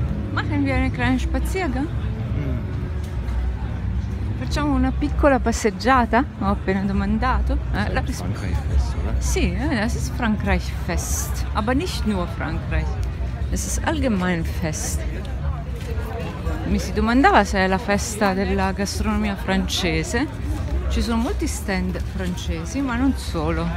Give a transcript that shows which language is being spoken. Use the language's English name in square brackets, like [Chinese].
[German] Machen wir einen kleinen Spaziergang? [Italian] Facciamo una piccola passeggiata? Ho appena domandato. [German] Frankreich-Fest, oder? Sì, es ist Frankreich-Fest. Aber nicht nur Frankreich. Es ist allgemein Fest. [Italian] Mi si domandava se è la festa della gastronomia francese. Ci sono molti stand francesi, ma non solo.